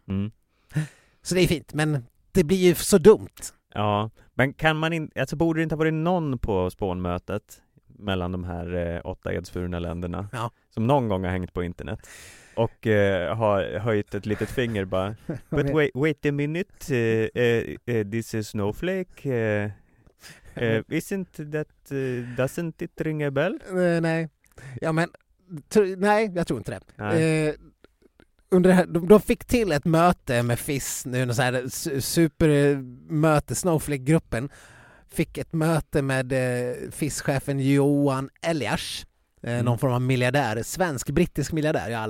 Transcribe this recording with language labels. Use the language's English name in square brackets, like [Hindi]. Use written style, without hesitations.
[Swedish] Mm. Så det är fint, men det blir ju så dumt. Ja, men kan man inte, alltså borde det inte ha varit någon på spånmötet? mellan de här åtta edsvurna länderna, ja, som någon gång har hängt på internet och har höjt ett litet finger bara. [English] But wait a minute, this is Snowflake. Isn't that, doesn't it ring a bell? [Swedish] Nej. Ja, men, nej, jag tror inte det. Under det här, de fick till ett möte med FIS nu, så här supermöte, Snowflake-gruppen fick ett möte med FIS-chefen Johan Eliasch, någon form av miljardär, svensk-brittisk miljardär.